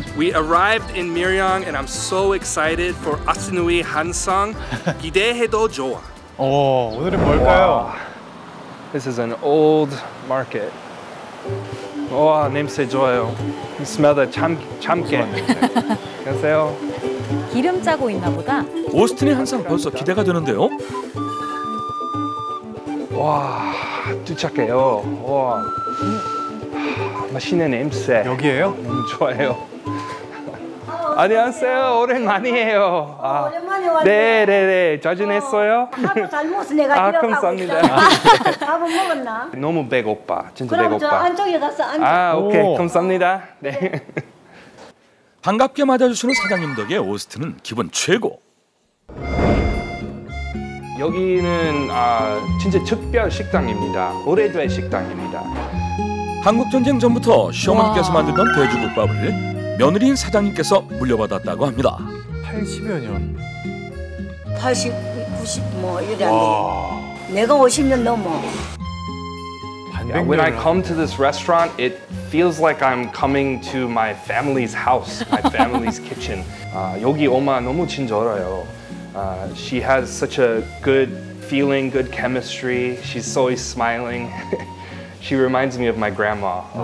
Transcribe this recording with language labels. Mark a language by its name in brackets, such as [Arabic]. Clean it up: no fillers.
[English] We arrived in Miryang and I'm so excited for Asinui Hansang. [Korean] 기대해도 좋아. 오, 오늘은 뭘까요? Wow. [English] This is an old market. [Korean] 와, 냄새 좋아요. [English] You smell the 참깨. [Korean] 안녕하세요. 기름 짜고 있나 보다. 오스틴의 한상 벌써 기대가 되는데요. 와, 도착해요. 와. 맛있는 냄새. 여기에요? 너무 좋아요. 안녕하세요. 오랜만이에요. 오랜만에 왔네. 네네네. 자주냈어요? 밥을 잘못을 내가 기억하고 감사합니다. 있어. 밥은 먹었나? 너무 배고파. 진짜 그럼 배고파. 그럼 저 안쪽에 가서 앉아. 아, 오케이. 오. 감사합니다. 네. 반갑게 맞아주시는 사장님 덕에 오스틴은 기분 최고. 여기는 진짜 특별 식당입니다. 오래된 식당입니다. 한국전쟁 전부터 시어머니께서 만들던 돼지국밥을 며느리인 사장님께서 물려받았다고 합니다. 80여 년. 80, 90 뭐 이래 안 돼. 내가 50년 넘어. [English] Yeah, when I come to this restaurant, it feels like I'm coming to my family's house, my family's kitchen. [Korean] 여기 엄마 너무 친절해요. [English] She has such a good feeling, good chemistry. She's always smiling. She reminds me of my grandma.